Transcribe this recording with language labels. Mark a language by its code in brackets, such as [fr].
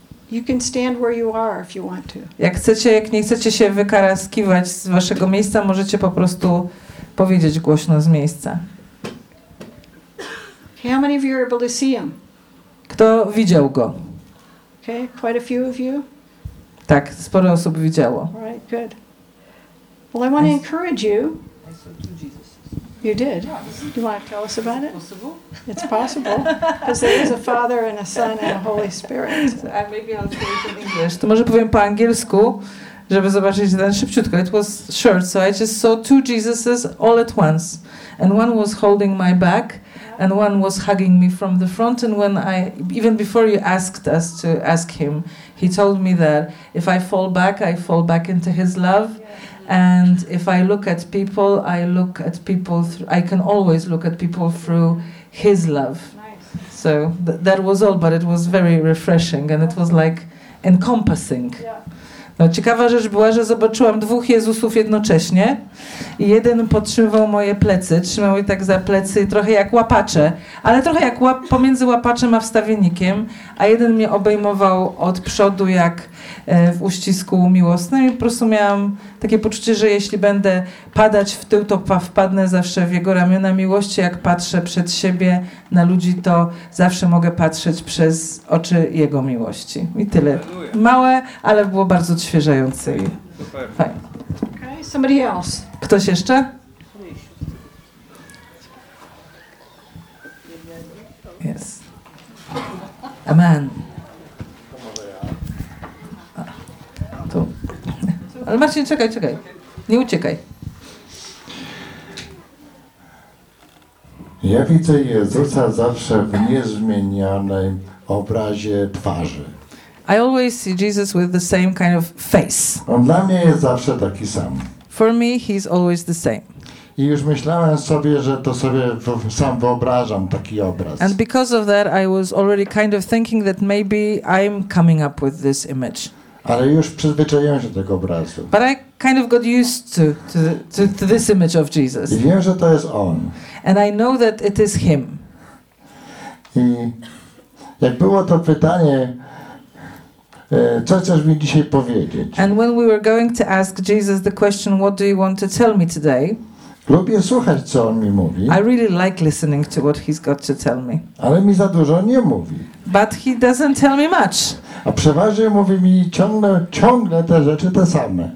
[en] You can stand where you are if you want to. [pl] Jak chcecie, jak nie chcecie się wykaraskiwać z waszego miejsca, możecie po prostu powiedzieć głośno z miejsca. [en] How many of you are able to see him? [pl] Kto widział go? [en] Okay, quite a few of you. [pl] Tak, sporo osób widziało. [en] Right, good. Well, I want to encourage you. You did. Do you want to tell us about it? Possible. It's possible. Because there is a Father and a Son and a Holy Spirit. Maybe I'll say it in English. [pl] To może powiem po angielsku, żeby zobaczyć ten szybciutko. [en] It was short, so I just saw two Jesuses all at once. And one was holding my back, and one was hugging me from the front. And when I, even before you asked us to ask him, he told me that if I fall back, I fall back into his love. And if I look at people, I look at people, I can always look at people through his love. Nice. So that was all, but it was very refreshing and it was like encompassing. Yeah. [pl] No, ciekawa rzecz była, że zobaczyłam dwóch Jezusów jednocześnie i jeden podtrzymywał moje plecy, trzymał je tak za plecy, trochę jak łapacze, ale trochę jak pomiędzy łapaczem a wstawiennikiem, a jeden mnie obejmował od przodu jak w uścisku miłosnym i po prostu miałam takie poczucie, że jeśli będę padać w tył, to wpadnę zawsze w jego ramiona miłości. Jak patrzę przed siebie na ludzi, to zawsze mogę patrzeć przez oczy jego miłości. I tyle. Małe, ale było bardzo odświeżające i fajne. [en] Okay, somebody else. [pl] Ktoś jeszcze? [en] Yes. Amen. [pl] Ale Marcin, czekaj, czekaj. Nie uciekaj. Ja widzę Jezusa zawsze w niezmienionym obrazie twarzy. [en] I always see Jesus with the same kind of face. [pl] On dla mnie jest zawsze taki sam. [en] For me, he's always the same. [pl] I już myślałem sobie, że to sobie sam wyobrażam taki obraz. [en] And because of that, I was already kind of thinking that maybe I'm coming up with this image. [pl] Ale już przyzwyczaiłem się do tego obrazu. [en] But I kind of got used to this image of Jesus. [pl] I wiem, że to jest on. [en] And I know that it is him. [pl] I jak było to pytanie, co chcesz mi dzisiaj powiedzieć? [en] And when we were going to ask Jesus the question, what do you want to tell me today? [pl] Lubię słuchać, co on mi mówi. [en] I really like listening to what he's got to tell me. [pl] Ale mi za dużo nie mówi. [en] But he doesn't tell me much. [pl] A przeważnie mówi mi ciągle te rzeczy te same.